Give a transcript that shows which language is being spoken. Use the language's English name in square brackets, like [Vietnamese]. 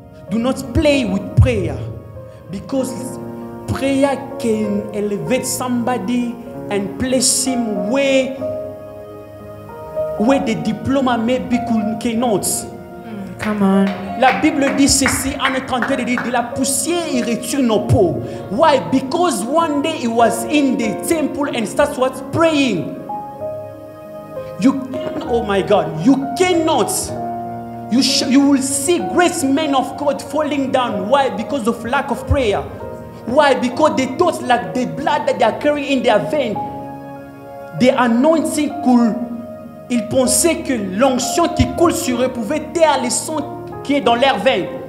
[English] Do not play with prayer, because prayer can elevate somebody and place him where the diploma maybe cannot. Come on. [French] La Bible dit ceci en étant de la poussière il retourne au pot. [English] Why? Because one day he was in the temple and starts praying. You cannot. You will see great men of God falling down. Why? Because of lack of prayer. Why? Because they thought like the blood that they are carrying in their vein, the anointing [French] coule. Ils pensaient que l'onction qui coule sur eux pouvait taire le sang qui est dans leur [English] vein.